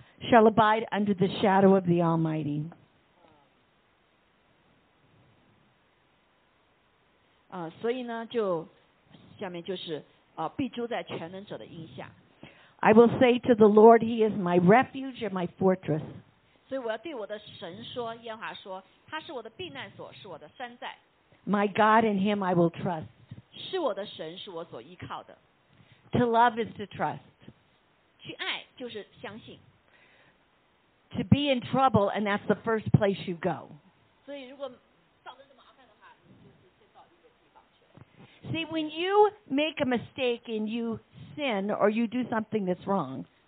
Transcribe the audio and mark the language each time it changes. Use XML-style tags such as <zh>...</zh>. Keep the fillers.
<en>Shall abide under the shadow of the Almighty.</en> <zh>Uh, 所以呢,就,下面就是, uh, 必住在全能者的印象,</zh> <en>I will say to the Lord, He is my refuge and my fortress.</en> <zh>所以我要对我的神说，耶华说，他是我的避难所，是我的山寨。</zh> <en>My God in Him I will trust. trust。</en> <zh>是我的神，是我所依靠的。</zh> <en>To love is to trust. trust。</en> <zh>去爱就是相信。</zh> <en>To be in trouble and that's the first place you go. go。</en> <zh>所以如果造成麻烦的话，就是先到一个地方去。</zh> <en>See when you make a mistake and you sin or you do something that's wrong,</en>